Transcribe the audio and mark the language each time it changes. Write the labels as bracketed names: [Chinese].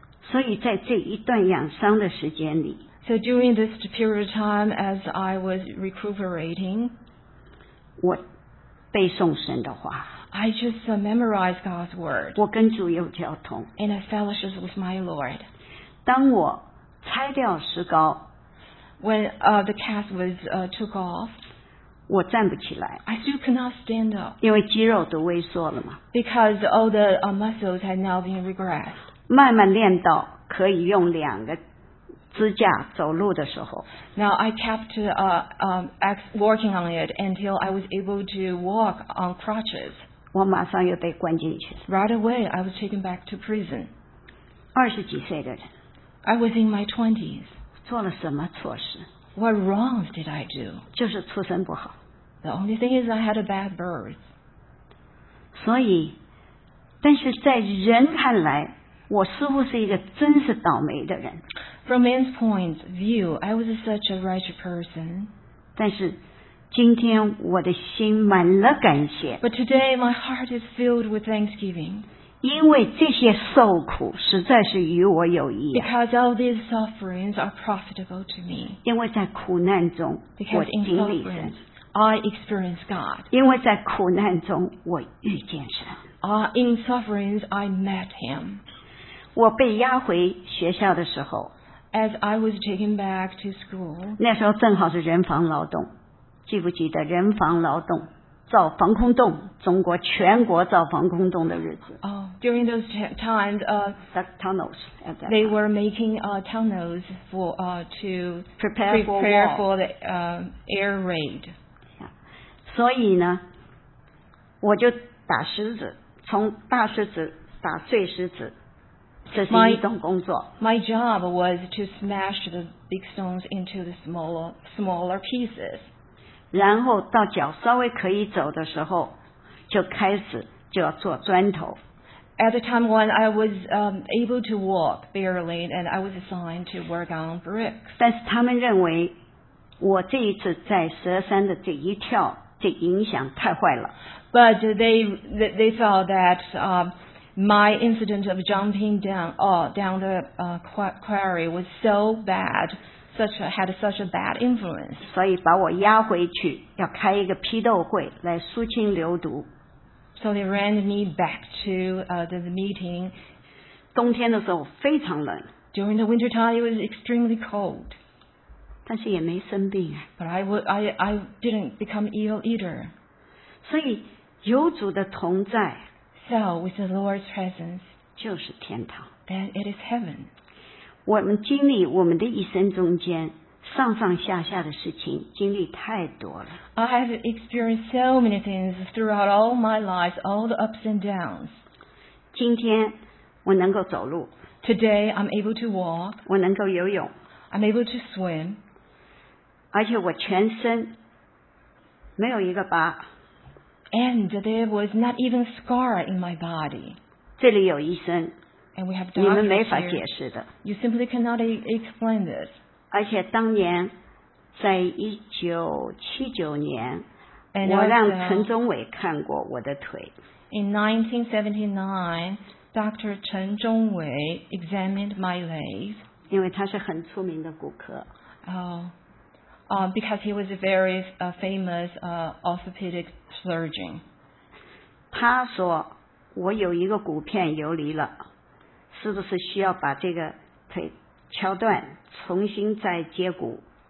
[Chinese] 所以在这一段养伤的时间里， [English] So during this period of time as I was recuperating, [Chinese] 我背诵神的话。 [English] I just memorized God's word. [Chinese] 我跟主有交通。 [English] And I fellowship with my Lord. [Chinese] 当我拆掉石膏。 [English] When the cast was took off, [Chinese] 我站不起来。 [English] I still could not stand up. [Chinese] 因为肌肉都萎缩了嘛。 [English] Because all the muscles had now been regressed. [Chinese] 慢慢练到可以用两个支架走路的时候。 [English] Now I kept working on it until I was able to walk on crutches. [Chinese] 我马上又被关进去。 [English] Right away, I was taken back to prison. [Chinese] 二十几岁的人。 [English] I was in my 20s. [Chinese] 做了什么错事？ [English] What wrongs did I do? [Chinese] 就是出身不好。 [English] The only thing is I had a bad birth. [Chinese] 所以但是在人看来，我似乎是一个真是倒霉的人。 [English] From man's point of view, I was such a righteous person. [Chinese] 但是今天我的心满了感谢。 [English] But today my heart is filled with thanksgiving. [Chinese] 因为这些受苦实在是与我有益。 [English] Because all these sufferings are profitable to me. [Chinese] 因为在苦难中我经历神。 [English] I experience God. [Chinese] 因为在苦难中我遇见神。 [English] In sufferings, I met him. [Chinese] 我被押回学校的时候。 [English] As I was taken back to school. [Chinese] 那时候正好是人防劳动。记不记得人防劳动造防空洞中国全国造防空洞的日子、 [English] During those times the tunnels they were making tunnels for, to prepare for the air raid、 [Chinese] 所以呢我就打石子从大石子打碎石子这是一种工作 [English] my job was to smash the big stones into the smaller pieces [Chinese] 然后到脚稍微可以走的时候就开始就要做砖头 [English] At the time when I was able to walk barely and I was assigned to work on bricks [Chinese] 但是他们认为我这一次在十二山的这一跳这影响太坏了 [English] But they thought that my incident of jumping down the quarry was so badhad such a bad influence. [Chinese] 所以把我押回去要开一个批斗会来肃清流毒。 [English] So they ran me back to the meeting. [Chinese] 冬天的时候非常冷。 [English] During the winter time, it was extremely cold. [Chinese] 但是也没生病。 [English] But I didn't become ill either. [Chinese] 所以有主的同在 [English] So with the Lord's presence, [Chinese] 就是天堂。 [English] Then it is heaven. [Chinese] 我们经历我们的一生中间上上下下的事情经历太多了 [English] I have experienced so many things throughout all my life all the ups and downs [Chinese] 今天我能够走路 [English] Today I'm able to walk [Chinese] 我能够游泳 [English] I'm able to swim [Chinese] 而且我全身没有一个疤 [English] And there was not even scar in my body [Chinese] 这里有医生 [English] And we have [Chinese] 你们没法解释的。 [English] You simply cannot explain this. [Chinese] 而且当年，在一九七九年，我让陈忠伟看过我的腿。 [English] In 1979, Dr. 陈忠伟 examined my legs. [Chinese] 因为他是很出名的骨科。 [English] Because he was a very famous orthopedic surgeon. [Chinese] 他说我有一个骨片游离了。是不是需要把这个腿敲断，重新再接骨